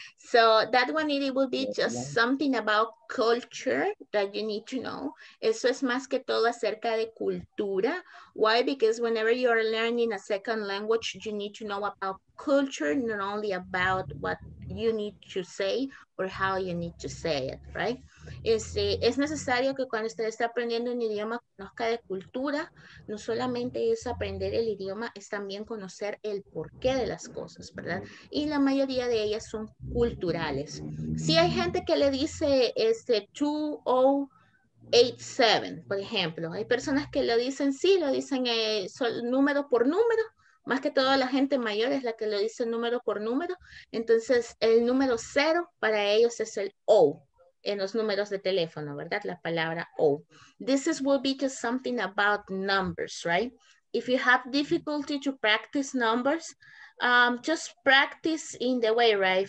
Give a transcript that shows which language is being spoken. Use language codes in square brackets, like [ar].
[en] So, that one, it will be just something about culture that you need to know. [es] Eso es más que todo acerca de cultura. [en] Why? Because whenever you are learning a second language, you need to know about culture, not only about what you need to say or how you need to say it, right? [es] Es necesario que cuando usted está aprendiendo un idioma, conozca de cultura. No solamente es aprender el idioma, es también conocer el porqué de las cosas, ¿verdad? Y la mayoría de ellas son culturales. Si hay gente que le dice 2087, por ejemplo, hay personas que lo dicen, sí, lo dicen número por número. Más que todo la gente mayor es la que lo dice número por número. Entonces, el número cero para ellos es el O en los números de teléfono, ¿verdad? La palabra O. [en] This is will be just something about numbers, right? If you have difficulty to practice numbers, just practice in the way, right?